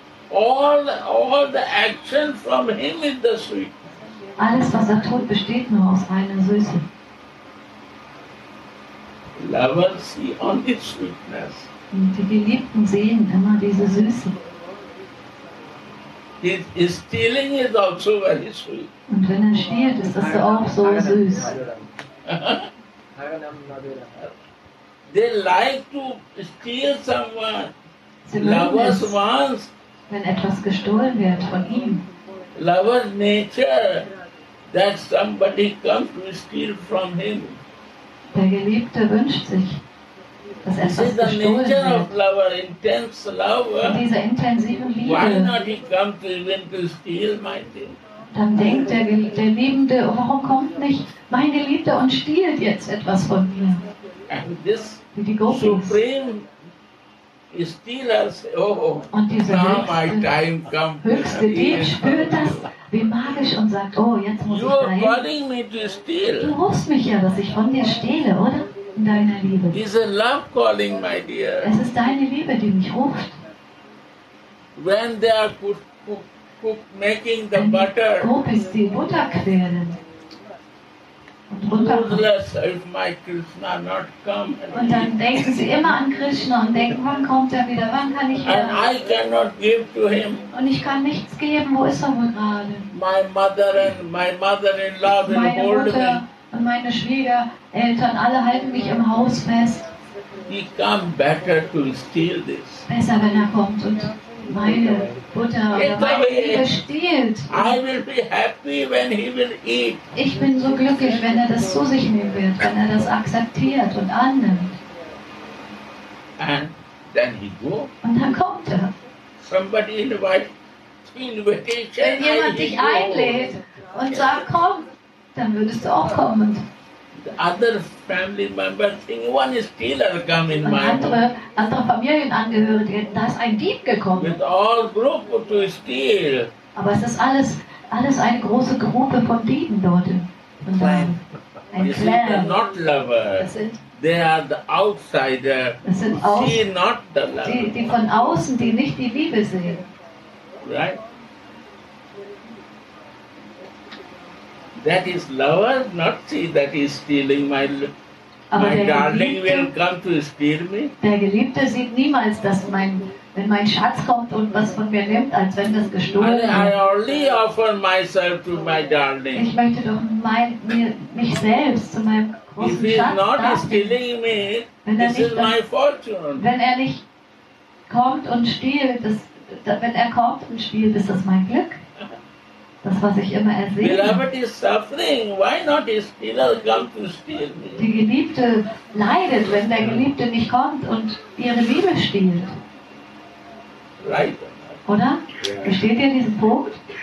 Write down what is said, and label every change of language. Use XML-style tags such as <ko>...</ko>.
<en>All the action from him is the sweet.</en> <de>Alles, was er tut, besteht nur aus reiner Süße.</de> <en>Lovers see only sweetness.</en> <de>Und die Geliebten sehen immer diese Süße.</de> <en>His stealing is also very sweet.</en> <de>Und wenn er stiehlt, ist das auch so süß.</de> <en>They like to steal someone. Lovers wants.</en> <de>Wenn etwas gestohlen wird von ihm.</de> <en>Lovers nature that somebody comes to steal from him.</en> <de>Der Geliebte wünscht sich, dass etwas gestohlen wird.</de> <en>This is the nature of lover, intense lover.</en> <de>In dieser intensiven Liebe.</de> <en>Why not he come to even to steal my thing?</en> <de>Dann denkt der Liebende, warum kommt nicht mein Geliebter und stiehlt jetzt etwas von mir? Wie die Gopis.</de> <en>Supreme Stealer, oh,</en> <de>und höchste Dieb spürt das wie magisch und sagt, oh, jetzt muss ich dahin. Du rufst mich ja, dass ich von dir stehle, oder? in deiner Liebe.</de> <en>It's a love calling, my dear.</en> <de>Es ist deine Liebe, die mich ruft.</de> <en>When they are making the butter.</en> <de>Gopis die Butter quälen. Und dann denken sie immer an Krishna und denken, wann kommt er wieder, wann kann ich wieder?</de> <en>And I cannot give to him.</en> <de>Und ich kann nichts geben, wo ist er wohl gerade?</de> <en>My mother and my mother-in-law will</en> <de>meine Mutter</de> <en>hold me.</en> <de>Und meine Schwiegereltern, alle halten mich im Haus fest.</de> <en>He come better to steal this.</en> <de>Besser, wenn er kommt und meine Butter oder meine Liebe stiehlt.</de> <en>I will be happy when he will eat.</en> <de>Ich bin so glücklich, wenn er das zu sich nehmen wird, wenn er das akzeptiert und annimmt.</de> <en>And then he go.</en> <de>Und dann kommt er.</de> <en>Somebody invitation,</en> <de>wenn jemand dich einlädt und sagt, komm, dann würdest du auch kommen.</de> <en>Other family member think one is stealer come in my</en> <de>andere Familienangehörige, da ist ein Dieb gekommen.</de> <en>With all group to steal.</en> <de>Aber es ist alles eine große Gruppe von Dieben dort. Ein Clan.</de> <en>Not lover. They are the outsider.</en> <de>Das sind auch</de> <en>see not the lover.</en> <de>Die von außen, die nicht die Liebe sehen.</de> <en>Right? That is lover, not see that he is stealing my</en> <de>aber</de> <en>my darling</en> <de>Geliebte,</de> <en>will come to steal me.</en> <de>Der Geliebte sieht niemals, dass wenn mein Schatz kommt und was von mir nimmt, als wenn das gestohlen wird.</de> <en>I only offer myself to my darling.</en> <de>Ich möchte doch mich selbst zu meinem großen Schatz.</de> <en>If he is not darling, stealing me, this is my fortune.</en> <de>Wenn er nicht kommt und stiehlt, ist das mein Glück. Das, was ich immer ersehe.</de> <en>Beloved is suffering. Why not his stealer come to steal me?</en> <de>Die Geliebte leidet, wenn der Geliebte nicht kommt und ihre Liebe stiehlt.</de> <en>Right.</en> <de>Oder? Versteht ihr diesen Punkt?</de>